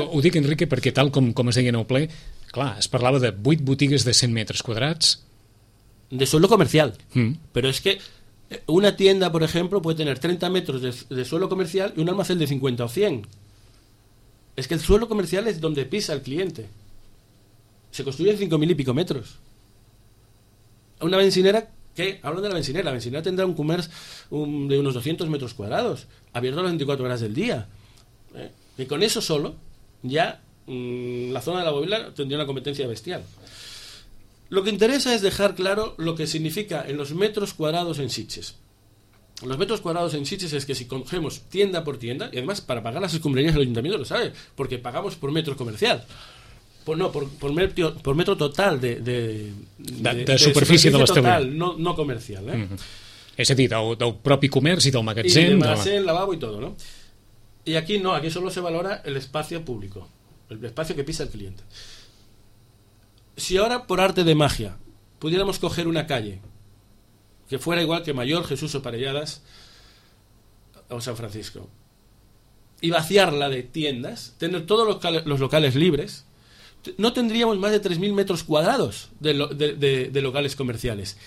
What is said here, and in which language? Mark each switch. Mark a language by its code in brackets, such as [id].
[ca] Ho dic, Enrique, perquè tal com es deia en el ple, clar, es parlava de 8 botigues de 100 metres quadrats... [es] De suelo comercial. [ca] Però és que [es] una tienda, [ca] per exemple, [es] puede tener 30 metros de suelo comercial i un almacén de 50 o 100. [ca] És que [es] el suelo comercial és donde pisa el cliente. Se construyen 5.000 y pico metros. Una bencinera... ¿Qué? Hablo de la bencinera tendrá un comercio de unos 200 metros cuadrados, abierto a las 24 horas del día... Y con eso solo, ya la zona de la bóveda tendría una competencia bestial. Lo que interesa es dejar claro lo que significa en los metros cuadrados en Sitges. Los metros cuadrados en Sitges es que si cogemos tienda por tienda, y además para pagar las escombrerías el ayuntamiento lo sabe, porque pagamos por metro comercial. Pues no, por metro total [ca] de superfície de l'establiment. Total, no, no comercial, eh? Uh-huh. És a dir, del propi comerç i del magatzem. I del magatzem, lavabo i tot, no? I aquí no, aquí solo se valora l'espai públic, l'espai que pisa el client. [es] Si ahora, por arte de magia, pudiéramos coger una calle que fuera igual que Mayor, Jesús o Parelladas o San Francisco y vaciarla de tiendas, tener todos los locales libres, no tendríamos más de 3.000 metros cuadrados de locales comerciales.